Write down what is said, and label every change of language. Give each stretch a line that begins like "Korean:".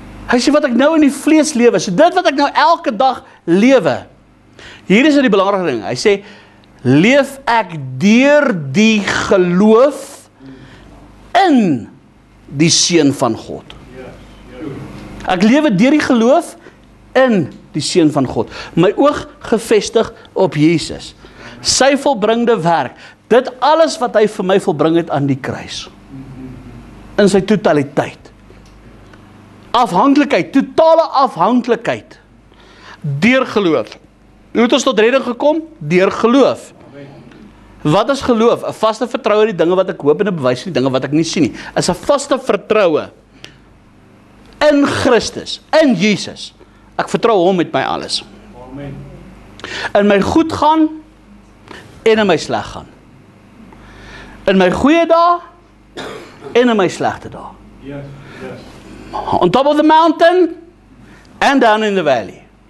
Afrikaans: Hy sê wat ek nou in die vlees lewe, so dit wat ek nou elke dag lewe, hier is die belangrike ding, hy sê, leef ek deur die geloof in die Seun van God. Ek lewe deur die geloof in die Seun van God. My oog gevestig op Jesus. Sy volbringde werk. Dit alles wat hy vir my volbring het aan die kruis. In sy totaliteit. Afhanklikheid, totale afhanklikheid. Deur geloof. Hoe het ons tot redding gekom? Deur geloof. Wat is geloof? 'N vaste vertroue in die dinge wat ek hoop en 'n bewys van die dinge wat ek nie sien nie. Is 'n vaste vertroue in Christus, in Jesus. Ek vertrou hom met my alles. Amen. In my goed gaan en in my sleg gaan. In my goeie dae en in my slegte dae.
English: Yes, yes. On top of the mountain and down in the valley.